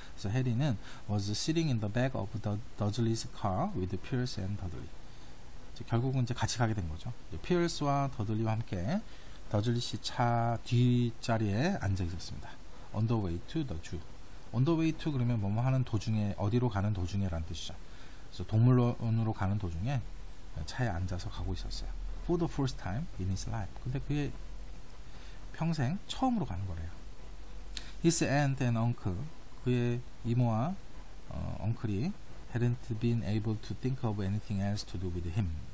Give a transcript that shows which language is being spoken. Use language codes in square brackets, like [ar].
[ko] 그래서 해리는 [en] was sitting in the back of the Dudley's car with Pierce and Dudley. [ko] 이제 결국은 이제 같이 가게 된 거죠. 이제 피어스와 더들리와 함께 더들리 씨 차 뒷자리에 앉아 있었습니다. [en] On the way to the zoo. On the way to [ko] 그러면 뭐뭐 하는 도중에, 어디로 가는 도중에란 뜻이죠. 그래서 동물원으로 가는 도중에 차에 앉아서 가고 있었어요. [en] For the first time in his life. [ko] 근데 그게 평생 처음으로 가는 거래요. [en] His aunt and uncle, [ko] 그의 이모와 [en] uncle이 hadn't been able to think of anything else to do with him.